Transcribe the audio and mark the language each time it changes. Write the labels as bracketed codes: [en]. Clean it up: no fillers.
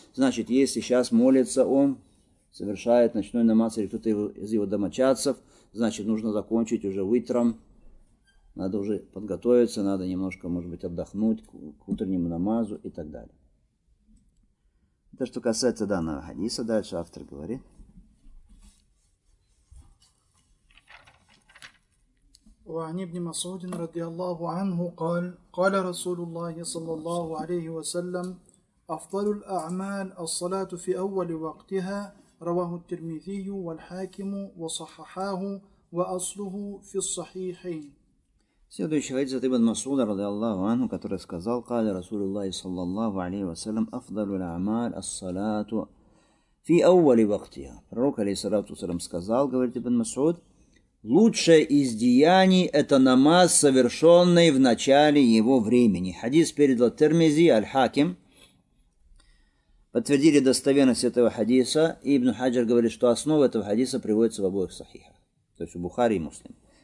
[ru] Значит, если сейчас молится он, совершает ночной намаз или кто-то из его домочадцев, значит, нужно закончить уже витром, надо уже подготовиться, надо немножко, может быть, отдохнуть к утреннему намазу и так далее. Это что касается данного хадиса, дальше автор говорит. [ar] وعن ابن مسعود رضي الله عنه قال قال رسول الله صلى الله عليه وسلم أفضل الأعمال الصلاة في أول وقتها رواه الترمذي والحاكم وصححاه وأصله في الصحيحين. [ru] Следующий хадис от [ar] ابن مسعود رضي الله عنه, [ru] который сказал: [ar] قال رسول الله صلى الله عليه وسلم أفضل الأعمال الصلاة في أول وقتها. [ru] Пророк, алейхиссалату ва салям, сказал, говорит [ar] ابن مسعود, [ru] Лучшее из деяний – это намаз, совершенный в начале его времени. Хадис передал Тирмизи, Аль-Хаким. Подтвердили достоверность этого хадиса. И Ибн Хаджар говорит, что основа этого хадиса приводится в обоих сахихах. То есть в Бухари и Муслим.